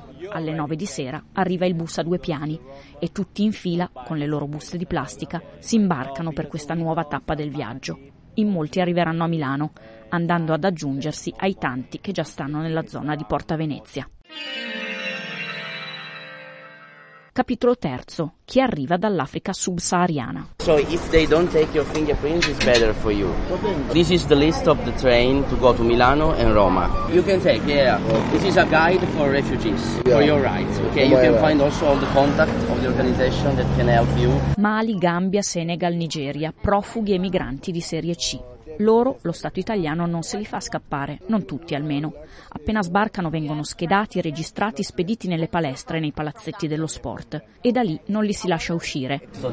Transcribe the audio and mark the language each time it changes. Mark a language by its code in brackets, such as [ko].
[it] Alle 9 di sera arriva il bus a due piani e tutti in fila, con le loro buste di plastica, si imbarcano per questa nuova tappa del viaggio. In molti arriveranno a Milano, andando ad aggiungersi ai tanti che già stanno nella zona di Porta Venezia. Capitolo terzo. Chi arriva dall'Africa subsahariana. [en] So if they don't take your fingerprints it's better for you. This is the list of the train to go to Milano and Roma. You can take, yeah. This is a guide for refugees, for your rights. Okay, you can find also all the contact of the organization that can help you. [it] Mali, Gambia, Senegal, Nigeria, profughi e migranti di serie C. Loro, lo Stato italiano, non se li fa scappare, non tutti almeno. Appena sbarcano vengono schedati, registrati, spediti nelle palestre, nei palazzetti dello sport. E da lì non li si lascia uscire.